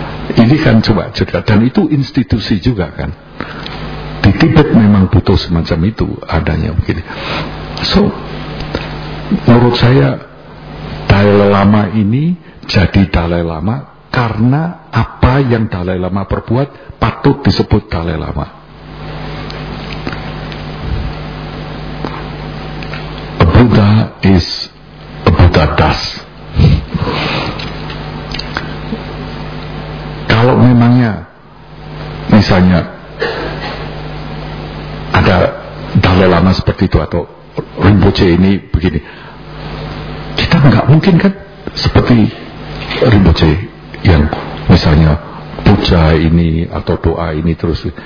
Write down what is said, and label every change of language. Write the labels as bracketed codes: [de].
[id] Ini kan coba juga, dan itu institusi juga kan. Di Tibet memang butuh semacam itu adanya begini. So, menurut saya Dalai Lama ini jadi Dalai Lama karena apa yang Dalai Lama perbuat patut disebut Dalai Lama. [en] A Buddha is a Buddha does. [id] Kalau memangnya misalnya ada Dalai Lama seperti itu atau Rinpoche ini begini, kita gak mungkin kan seperti Rinpoche yang misalnya puja ini atau doa ini terus.